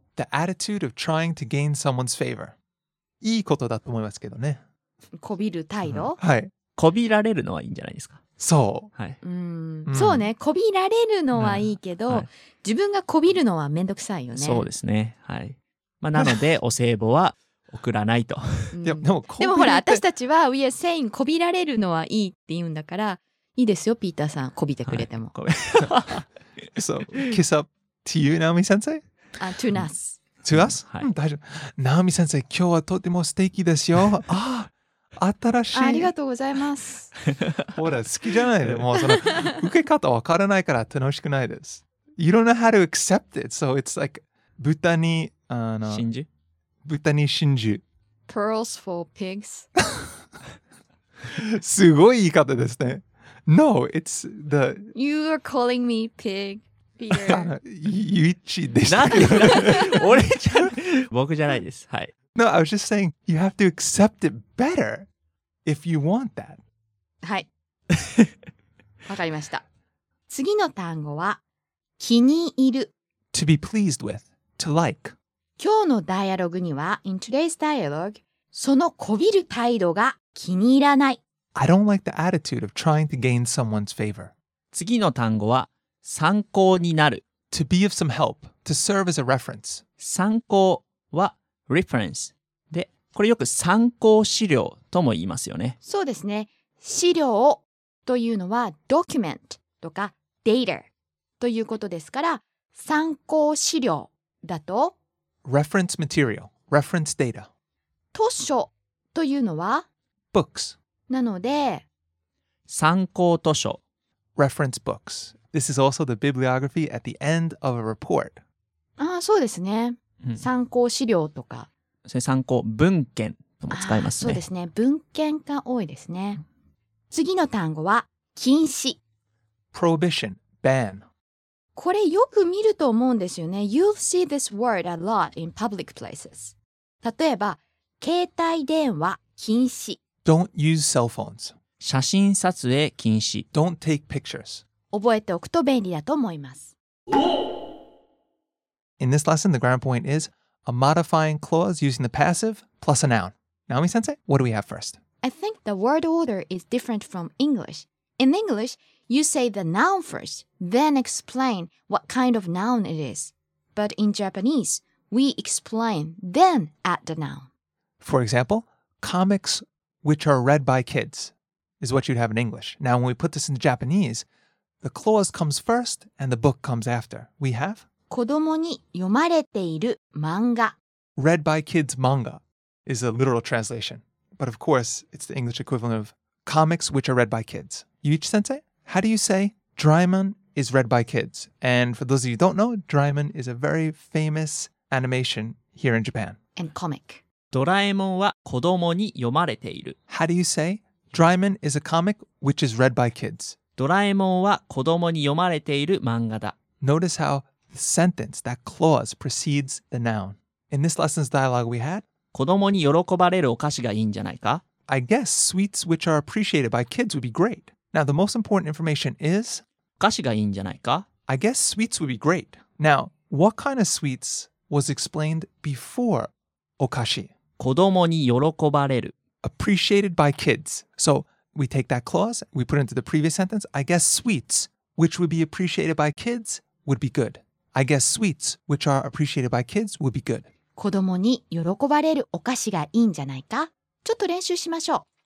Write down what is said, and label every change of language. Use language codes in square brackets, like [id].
[en] The attitude of trying to gain someone's favor. [ja] いいことだと思いますけどね。こびる態度、うん、はい。こびられるのはいいんじゃないですか。そう。はい、そうね。こびられるのはいいけど、うん、自分がこびるのはめんどくさいよね。そうですね。はい。まあ、なので、お歳暮は送らないと。でも、ほら、私たちは、 [en] We are saying [ja] こびられるのはいいって言うんだから、いいですよ、ピーターさん、こびてくれても。はい、 [en] so, kiss up to you, Naomi-sensei? To us. To us? [ja] はい、大丈夫。Naomi-sensei、今日はとても素敵ですよ。新しい。ありがとうございます。ほら、好きじゃないで。もうその、受け方わからないから楽しくないです。 [en] You don't know how to accept it, so it's like, [ja] 豚に、あの、真珠？豚に真珠。 [en] Pearls for pigs. [ja] すごい言い方ですね。 [en] No, it's the... You are calling me pig, Peter. [ja] ユイチでした。なんで俺じゃ、僕じゃないです。はい。 [en] No, I was just saying, you have to accept it better if you want that. [ja] はい。わかりました。次の単語は、気に入る。 [en] To be pleased with, to like. [ja] 今日のダイアログには、 [en] in today's dialogue, [ja] そのこびる態度が気に入らない。 [en] I don't like the attitude of trying to gain someone's favor. [ja] 次の単語は、参考になる。 To be of some help, to serve as a reference. 参考は、reference。で、これよく参考資料とも言いますよね。そうですね。資料というのは、document とか data ということですから、参考資料だと、 [en] reference material, reference data。 [ja] 図書というのは、 [en] books。 [ja] なので、参考図書。 [en] Reference books. This is also the bibliography at the end of a report. [ja] ああ、そうですね、うん。参考資料とか。それ参考文献とも使いますね。そうですね。文献が多いですね。次の単語は、禁止。 [en] Prohibition. Ban. [ja] これよく見ると思うんですよね。 [en] You'll see this word a lot in public places. [ja] 例えば、携帯電話禁止。 [en] Don't use cell phones. [ja] 写真撮影禁止。 [en] Don't take pictures. [ja] 覚えておくと便利だと思います。 [en] In this lesson, the grammar point is a modifying clause using the passive plus a noun. Naomi-sensei, what do we have first? I think the word order is different from English. In English, you say the noun first, then explain what kind of noun it is. But in Japanese, we explain, then add the noun. For example, comics... which are read by kids, is what you'd have in English. Now, when we put this in Japanese, the clause comes first and the book comes after. We have? [ja] 子供に読まれている漫画。 [en] Read by kids manga is a literal translation. But of course, it's the English equivalent of comics which are read by kids. Yuichi-sensei, how do you say Draimon is read by kids? And for those of you who don't know, Draimon is a very famous animation here in Japan. And comic. [ja] ドラえもんは子供に読まれている。 [en] How do you say? Draimon is a comic which is read by kids. [ja] ドラえもんは子供に読まれている漫画だ。 [en] Notice how the sentence, that clause, precedes the noun. In this lesson's dialogue we had, [ja] 子供に喜ばれるお菓子がいいんじゃないか? [en] I guess sweets which are appreciated by kids would be great. Now the most important information is, [ja] お菓子がいいんじゃないか? [en] I guess sweets would be great. Now, what kind of sweets was explained before? [ja] お菓子。子供に喜ばれる。 [en] Appreciated by kids. So, we take that clause, we put it into the previous sentence. I guess sweets, which would be appreciated by kids, would be good. I guess sweets, which are appreciated by kids, would be good. [ja] 子供に喜ばれるお菓子がいいんじゃないか?ちょっと練習しましょう。